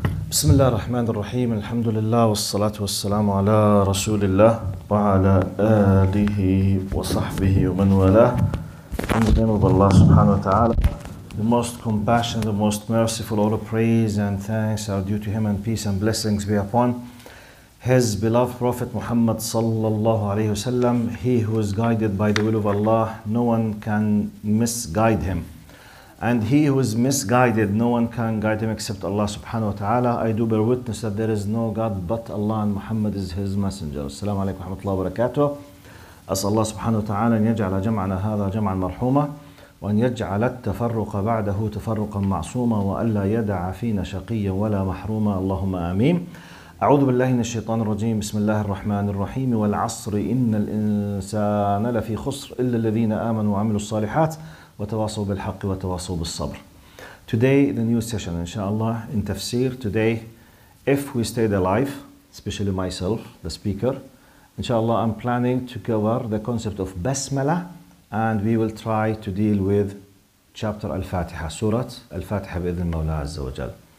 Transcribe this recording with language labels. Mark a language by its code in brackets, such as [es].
[ar] بسم الله الرحمن الرحيم الحمد لله والصلاة والسلام على رسول الله وعلى آله وصحبه ومن والاه. [en] In the name of Allah subhanahu wa ta'ala, the most compassionate, the most merciful, all the praise and thanks are due to him and peace and blessings be upon his beloved Prophet Muhammad sallallahu alayhi wa sallam, he who is guided by the will of Allah, no one can misguide him. And he who is misguided, no one can guide him except Allah subhanahu wa ta'ala. I do bear witness that there is no God but Allah and Muhammad is his messenger. [ar] As-salamu alaykum wa rahmatullahi wa barakatuh. أسأل الله سبحانه وتعالى أن يجعل جمعنا هذا جمعا مرحوما وأن يجعل التفرق بعده تفرقا معصوما وألا يدع فينا شقيا ولا محروما اللهم آمين. أعوذ بالله من الشيطان الرجيم. بسم الله الرحمن الرحيم. والعصر إن الإنسان لفي خسر إلا الذين آمنوا وعملوا الصالحات وتواصوا بالحق وتواصوا بالصبر. [en] Today the new session إن شاء الله in Tafsir. Today if we stayed alive, especially myself the speaker, Inshallah, I'm planning to cover the concept of Basmallah, and we will try to deal with chapter Al-Fatiha, Surat Al-Fatiha [ar] bi-idhni Mawla Azza wa Jal.